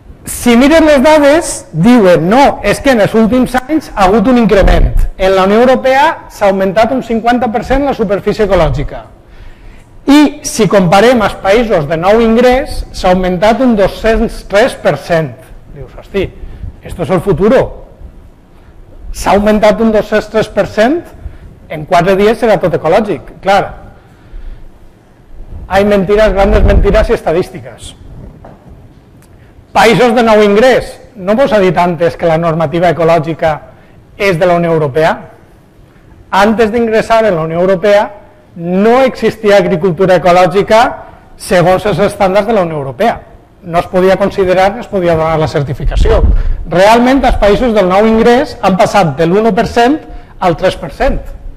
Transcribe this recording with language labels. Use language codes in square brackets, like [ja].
[ca] Si mires les dades, diuen, no, és que en els últims anys ha hagut un increment. En la Unió Europea s'ha augmentat un 50% la superfície ecològica. I si comparem els països de nou ingrés, s'ha augmentat un 203%. Dius, hosti, [es] esto es el futuro. [ca] S'ha augmentat un 203%, en 4 dies serà tot ecològic, clar. [es] Hay mentiras, grandes mentiras y estadísticas. [ca] Països de nou ingrés, no vos ha dit antes que la normativa ecològica és de la Unió Europea? Antes d'ingressar en la Unió Europea no existia agricultura ecològica segons els estàndards de la Unió Europea. No es podia considerar que es podia donar la certificació. Realment els països del nou ingrés han passat de l'1% al 3%.